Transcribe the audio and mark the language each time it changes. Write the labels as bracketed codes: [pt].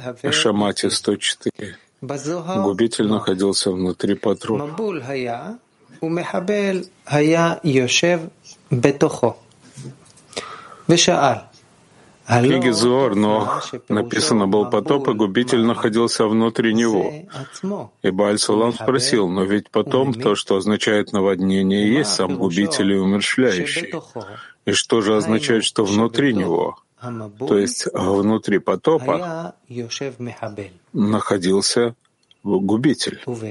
[ru] Шамати 104. Губитель находился внутри патруль. [he] ומחבל היה יושב בתוכו ושאל [ru] книге Зоар, но написано, был потоп, и губитель находился внутри него. И Бааль-Сулам спросил, но ведь потом то, что означает наводнение, есть сам губитель и умерщвляющий. И что же означает, что внутри него? То есть внутри потопа находился губитель.